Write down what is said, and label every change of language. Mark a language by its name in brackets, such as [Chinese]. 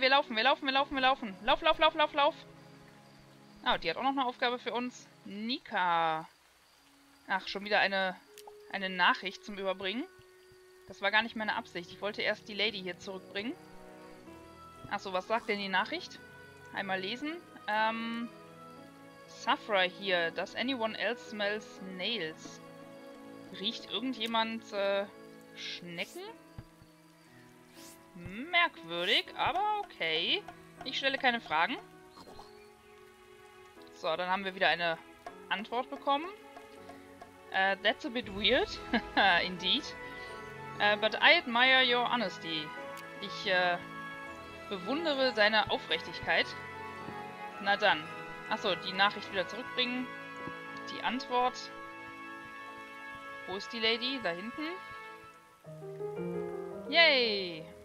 [German] Wir laufen, wir laufen, wir laufen, wir laufen! Lauf, lauf, lauf, lauf, lauf! Ah, die hat auch noch eine Aufgabe für uns. Nika! Ach, schon wieder eine Nachricht zum Überbringen. Das war gar nicht meine Absicht. Ich wollte erst die Lady hier zurückbringen. Achso, was sagt denn die Nachricht? Einmal lesen. Safra hier. [English] Does anyone else smells nails? [German] Riecht irgendjemand, Schnecken? Merkwürdig, aber okay. Ich stelle keine Fragen. So, dann haben wir wieder eine Antwort bekommen. [English] That's a bit weird. Indeed. But I admire your honesty. [German] Ich bewundere deine Aufrichtigkeit. Na dann. Achso, die Nachricht wieder zurückbringen. Die Antwort. Wo ist die Lady? Da hinten. Yay!